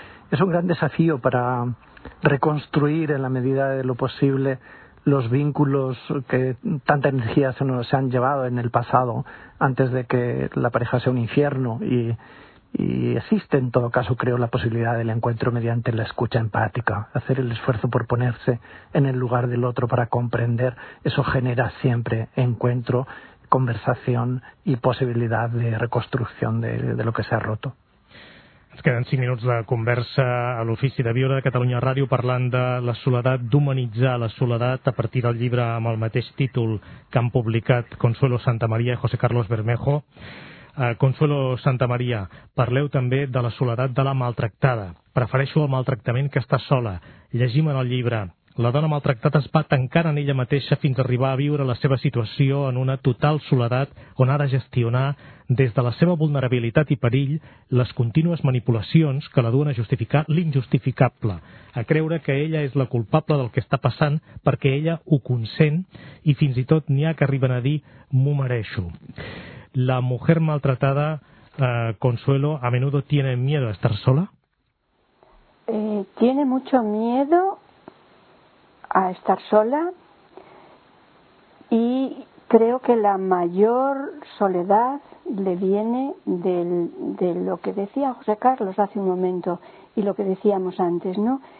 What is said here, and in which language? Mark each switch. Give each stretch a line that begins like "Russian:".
Spanish: Es un gran desafío para reconstruir en la medida de lo posible los vínculos que tanta energía se han llevado en el pasado antes de que la pareja sea un infierno y existe, en todo caso, creo, la posibilidad del encuentro mediante la escucha empática. Hacer el esfuerzo por ponerse en el lugar del otro para comprender, eso genera siempre encuentro, conversación y posibilidad de reconstrucción de lo que se ha roto.
Catalan: Ens queden 5 minuts de conversa a l'Ofici de Viure de Catalunya Ràdio parlant de la soledat, d'humanitzar la soledat a partir del llibre amb el mateix títol que han publicat Consuelo Santamaría i José Carlos Bermejo. Consuelo Santamaría, parleu també de la soledat de la maltractada. Prefereixo el maltractament que estar sola. Llegim en el llibre. La dona maltractada es va tancar en ella mateixa fins a arribar a viure la seva situació en una total soledat on ha de gestionar, des de la seva vulnerabilitat i perill, les contínues manipulacions que la duen a justificar l'injustificable, a creure que ella és la culpable del que està passant perquè ella ho consent i fins i tot n'hi ha que arriben a dir «m'ho mereixo».
Spanish: La mujer maltratada, Consuelo, a menudo tiene miedo a estar sola. Tiene mucho miedo a estar sola y creo que la mayor soledad le viene de lo que decía José Carlos hace un momento y lo que decíamos antes, ¿no?